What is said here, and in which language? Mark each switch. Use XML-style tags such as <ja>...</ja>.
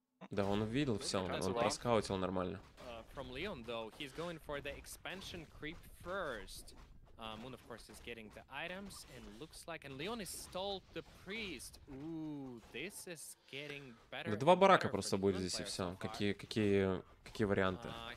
<ru>Да, он увидел все, он проскаутил нормально.</ru> <en>From Leon though, he's going for the expansion creep first. Moon, of course, is getting the items, and looks like, and Leon is stole the priest. Ooh, this is getting better.</en> <ru>Да, два барака просто будет здесь и все. Какие варианты?</ru>